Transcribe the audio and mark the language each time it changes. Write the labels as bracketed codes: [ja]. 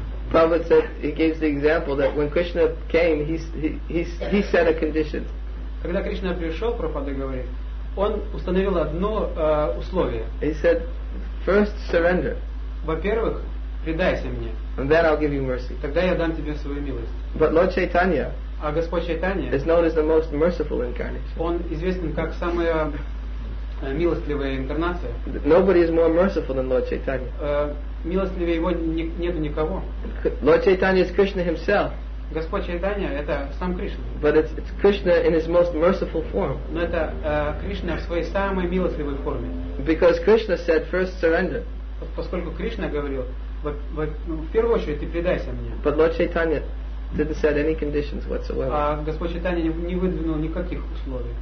[en] Prabhupada said he gives the example that when Krishna came, he set a condition. [ru] Когда Кришна пришел, Прабхупада говорит, он установил одно условие. [en] He said, first surrender. [ru] Во-первых, предайся мне. [en] And then I'll give you mercy. [ru] Тогда я дам тебе свою милость. [en] But Lord Chaitanya, [ru] а Господь Чайтанья, [en] is known as the most merciful incarnation. [ru] Он известен как самая милостливая инкарнация. [en] Nobody is more merciful than Lord Chaitanya. [ru] Милостливее его нету никого. [en] Lord Chaitanya is Krishna himself. [ru] Господь Чайтанья — это сам Кришна. [en] But it's Krishna in his most merciful form. [ru] Но это Кришна в своей самой милостливой форме. [en] Because Krishna said, first surrender. [ru] Поскольку Кришна говорил, в первую очередь ты предайся мне. [en] But Lord Chaitanya didn't set any conditions whatsoever. [ru] А Господь Чайтанья не выдвинул никаких условий.